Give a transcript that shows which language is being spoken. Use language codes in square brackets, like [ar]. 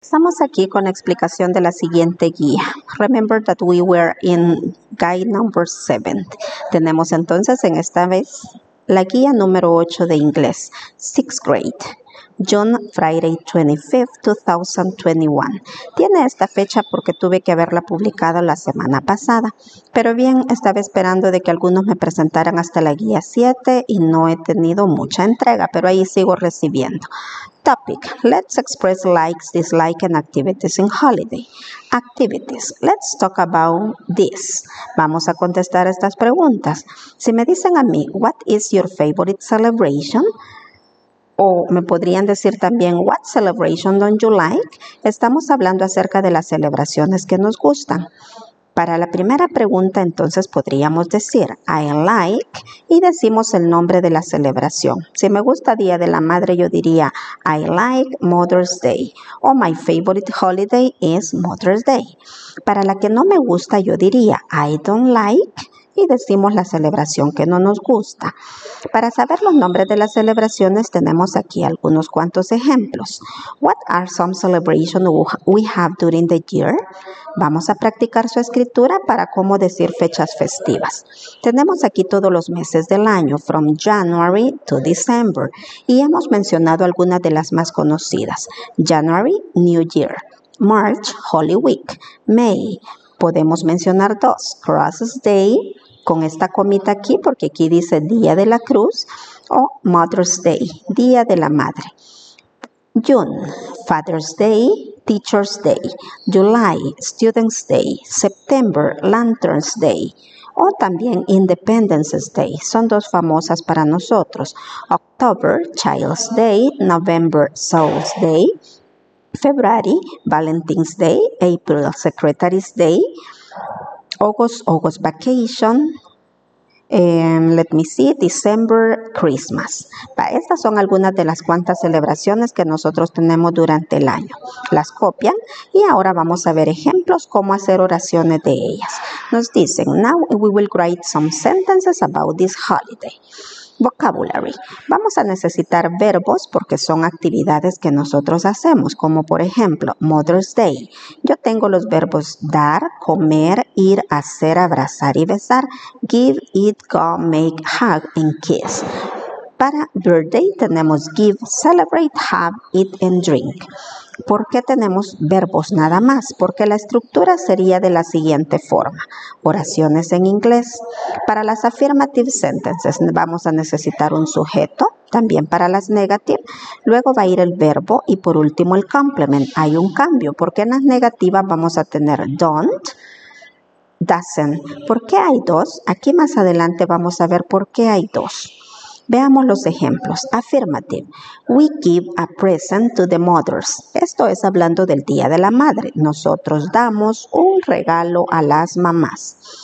[es] Estamos aquí con la explicación de la siguiente guía. [en] Remember that we were in guide number 7. [es] Tenemos entonces en esta vez la guía número 8 de inglés, [en] 6th grade, June Friday 25th, [es] 2021. Tiene esta fecha porque tuve que haberla publicado la semana pasada, pero bien, estaba esperando de que algunos me presentaran hasta la guía 7 y no he tenido mucha entrega, pero ahí sigo recibiendo. [en] Topic. Let's express likes, dislikes, and activities in holiday. Activities. Let's talk about this. [es] Vamos a contestar estas preguntas. Si me dicen a mí, [en] what is your favorite celebration? [es] O me podrían decir también, [en] what celebration don't you like? [es] Estamos hablando acerca de las celebraciones que nos gustan. Para la primera pregunta, entonces podríamos decir, [en] I like, [es] y decimos el nombre de la celebración. Si me gusta Día de la Madre, yo diría, [en] I like Mother's Day, [es] o [en] my favorite holiday is Mother's Day. [es] Para la que no me gusta, yo diría, [en] I don't like, [es] y decimos la celebración que no nos gusta. Para saber los nombres de las celebraciones, tenemos aquí algunos cuantos ejemplos. [en] What are some celebrations we have during the year? [es] Vamos a practicar su escritura para cómo decir fechas festivas. Tenemos aquí todos los meses del año, [en] from January to December, [es] y hemos mencionado algunas de las más conocidas. [en] January, New Year. March, Holy Week. [es] May, podemos mencionar dos. Cross Day, con esta comita aquí, porque aquí dice Día de la Cruz, o Mother's Day, Día de la Madre. [en] June, Father's Day, Teacher's Day. July, Student's Day. September, Lantern's Day. [es] O también Independence's Day. Son dos famosas para nosotros. [en] October, Child's Day. November, Soul's Day. February, Valentine's Day. April, Secretary's Day. August Vacation. Let me see, December, Christmas. [es] Estas son algunas de las cuantas celebraciones que nosotros tenemos durante el año. Las copian y ahora vamos a ver ejemplos cómo hacer oraciones de ellas. Nos dicen, [en] now we will write some sentences about this holiday. Vocabulary. [es] Vamos a necesitar verbos porque son actividades que nosotros hacemos, como por ejemplo, Mother's Day. Yo tengo los verbos dar, comer, ir, hacer, abrazar y besar. [en] Give, eat, go, make, hug, and kiss. Para birthday tenemos give, celebrate, have, eat, and drink. [es] ¿Por qué tenemos verbos nada más? Porque la estructura sería de la siguiente forma. Oraciones en inglés. Para las affirmative sentences vamos a necesitar un sujeto. También para las negative. Luego va a ir el verbo y por último el complement. Hay un cambio porque en las negativas vamos a tener don't, doesn't. ¿Por qué hay dos? Aquí más adelante vamos a ver por qué hay dos. Veamos los ejemplos. Affirmative. [en] We give a present to the mothers. [es] Esto es hablando del Día de la Madre. Nosotros damos un regalo a las mamás.